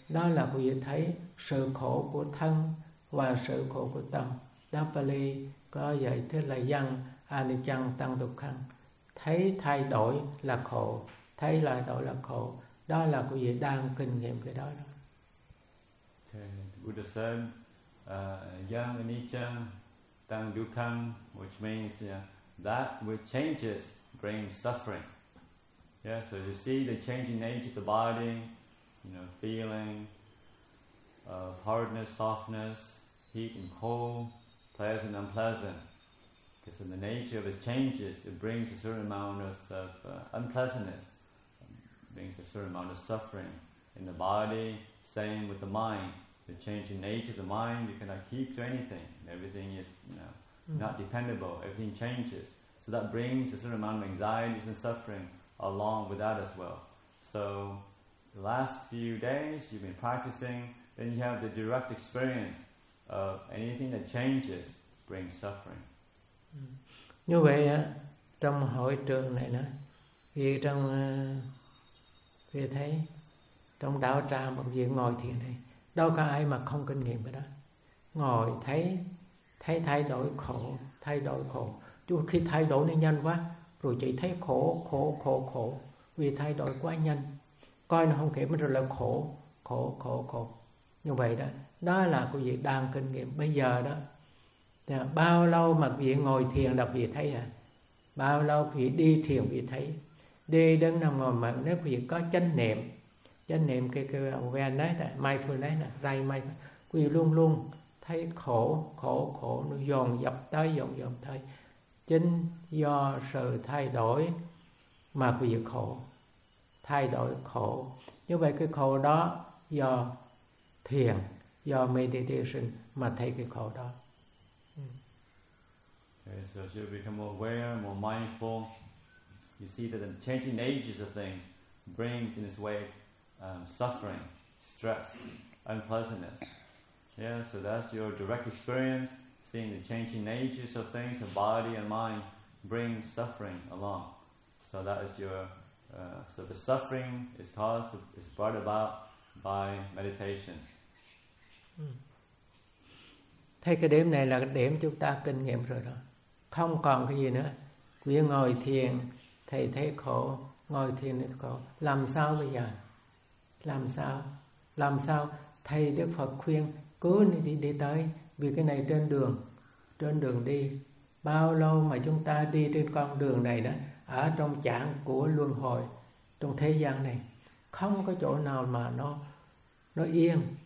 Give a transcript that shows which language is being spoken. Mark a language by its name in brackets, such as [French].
[Vietnamese] Đó là quý vị thấy sự khổ của thân và sự khổ của tâm. Đáp Pali có dạy thế là dân anicchang tăng dục khăn, thấy thay đổi là khổ, thấy lại đổi là khổ. Đó là quý vị đang kinh nghiệm cái đó. [English] Okay, Buddha said, dân anicchang tăng dục khăn, which means that which changes brings suffering. Yeah, so you see the changing nature of the body, you know, feeling of hardness, softness, heat and cold, pleasant and unpleasant. Because in the nature of its changes, it brings a certain amount of unpleasantness, brings a certain amount of suffering in the body. Same with the mind. The changing nature of the mind, you cannot keep to anything. Everything is, you know, not dependable. Everything changes. So that brings a certain amount of anxieties and suffering along with that as well. So the last few days you've been practicing, then you have the direct experience of anything that changes brings suffering. [Vietnamese] Như vậy á, trong hội trường này nữa, vì trong vì thấy trong đạo tràng một việc ngồi thiền này, đâu có ai mà không kinh nghiệm cái đó. Ngồi thấy thay đổi khổ, thay đổi khổ. Chứ khi thay đổi nó nhanh quá, rồi chị thấy khổ, khổ, khổ, khổ. Vì thay đổi quá nhanh, coi nó không kịp, rồi là khổ, khổ, khổ, khổ. Như vậy đó, đó là quý vị đang kinh nghiệm bây giờ đó. Thì bao lâu mà quý vị ngồi thiền đọc quý vị thấy à? Bao lâu quý vị đi thiền quý vị thấy? Đi đứng nằm ngồi mà nếu quý vị có chánh niệm cái awareness đó, mindfulness đó, ray mindfulness, quý vị luôn luôn thấy khổ, khổ, khổ, nó dồn dập tới, dồn tới. Chính do sự thay đổi mà quý vị khổ, thay đổi khổ. Như vậy cái khổ đó do thiền, do meditation mà thấy cái khổ đó. [English] Okay, so as you become more aware, more mindful, you see that the changing natures of things brings in its wake suffering, stress, unpleasantness. Yeah, so that's your direct experience. Seeing the changing natures of things, the body and mind, brings suffering along. So that is your, so the suffering is caused, is brought about by meditation. [Vietnamese] Thấy cái điểm này là điểm chúng ta kinh nghiệm rồi đó. Không còn cái gì nữa. Quý vị ngồi thiền, thầy thấy khổ, ngồi thiền thì khổ. Làm sao bây giờ? Làm sao? Làm sao? Thầy Đức Phật khuyên, cứ đi tới. Vì cái này trên đường đi, bao lâu mà chúng ta đi trên con đường này đó, ở trong chảng của luân hồi, trong thế gian này, không có chỗ nào mà nó yên.